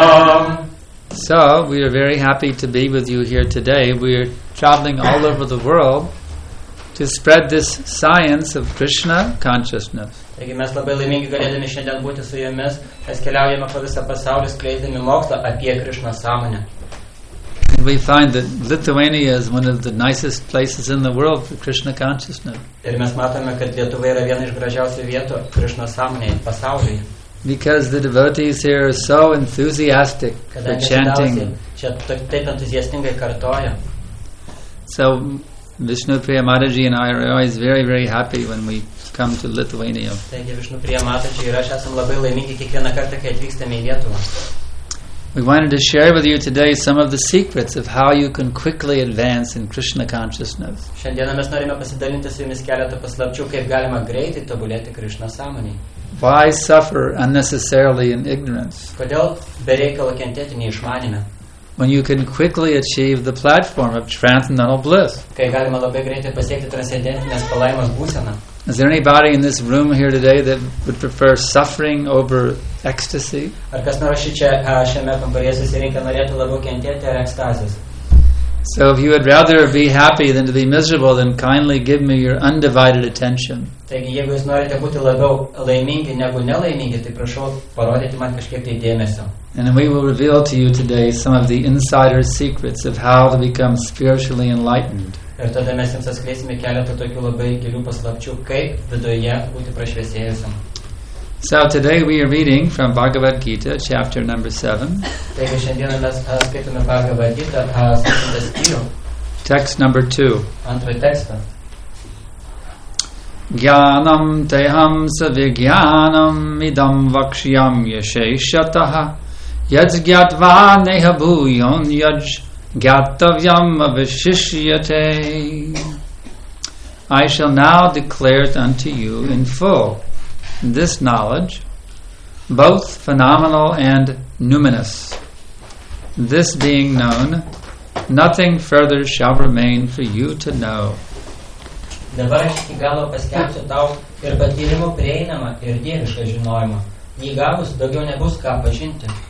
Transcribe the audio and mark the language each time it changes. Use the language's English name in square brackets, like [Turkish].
[English] So we are very happy to be with you here today. We are traveling all over the world to spread this science of Krishna consciousness. [Lithuanian] Taigi mes labai laimingi galėdami šiandien būti su jumis, mes keliaujame po visą pasaulį skleidami mokslą apie Krishna sąmonę. [English] We find that Lithuania is one of the nicest places in the world for Krishna consciousness. [Lithuanian] Ir mes matome, kad Lietuva yra viena iš gražiausių vietų Krishna sąmonei pasaulyje. [English] Because the devotees here are so enthusiastic for chanting. [Lithuanian] Čia taip entuziastingai kartoja. [English] So Vishnupriya Mataji and I are always very, very happy when we come to Lithuania. [Lithuanian] Taigi Vishnupriya Mataji ir aš esam labai laimingi kiekvieną kartą, kai atvykstame į Lietuvą. [English] We wanted to share with you today some of the secrets of how you can quickly advance in Krishna consciousness. [Lithuanian] Šiandieną mes norime pasidalinti su jumis keletą paslapčių, kaip galima greitai tobulėti Krishna sąmonėje. [English] Why suffer unnecessarily in ignorance? [Lithuanian] Kodėl be reikalo kentėti neišmanime? [English] When you can quickly achieve the platform of transcendental bliss. [Lithuanian] Kai galima labai greitai pasiekti transcendentinės palaimos būseną. [English] Is there anybody in this room here today that would prefer suffering over ecstasy? [Lithuanian] Ar kas nors čia šiame kambaryje susirinkę norėtų labiau kentėti ar ekstazės? [English] So if you would rather be happy than to be miserable, then kindly give me your undivided attention. [Lithuanian] Taigi, jeigu jūs norite būti labiau laimingi negu nelaimingi, tai prašau parodyti man kažkiek tai dėmesio. [English] And we will reveal to you today some of the insider secrets of how to become spiritually enlightened. [Lithuanian] Ir tada mes jums atskleisime keletą tokių labai gilių paslapčių, kaip viduje būti prašviesėjusiam. [English] So today we are reading from Bhagavad Gita, chapter number 7. [Lithuanian] Taigi šiandieną mes skaitome Bhagavad Gita, septintą skyrių. [English] Text number 2. [Lithuanian] Antrą tekstą. [Sanskrit] Jnanam teham savijnanam idam vakshyam yasheshatah yad gyatva nehabhuyon yad gyatavyam avishishyate. [English] I shall now declare it unto you in full. This knowledge, both phenomenal and numinous, this being known, nothing further shall remain for you to know. [Lithuanian] Dabar aš iki galo paskelbsiu tau ir patyrimu prieinamą ir dievišką žinojimą. Jį gavus, daugiau nebus ką pažinti.